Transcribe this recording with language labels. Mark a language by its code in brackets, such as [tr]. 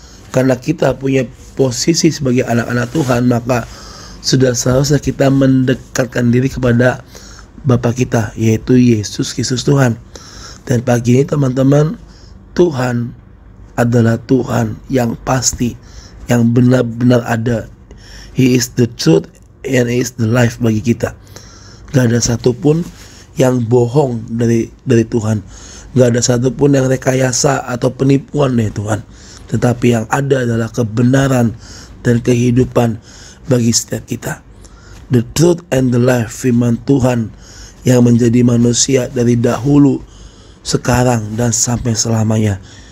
[id] Karena kita punya posisi sebagai anak-anak Tuhan, maka sudah seharusnya kita mendekatkan diri kepada Bapa kita, yaitu Yesus Kristus Tuhan. Dan pagi ini teman-teman, Tuhan adalah Tuhan yang pasti, yang benar-benar ada. [en] He is the truth and He is the life [id] bagi kita. Gak ada satupun yang bohong dari Tuhan. Gak ada satupun yang rekayasa atau penipuan dari Tuhan. Tetapi yang ada adalah kebenaran dan kehidupan bagi setiap kita. [en] The truth and the life, [id] firman Tuhan yang menjadi manusia dari dahulu, sekarang, dan sampai selamanya.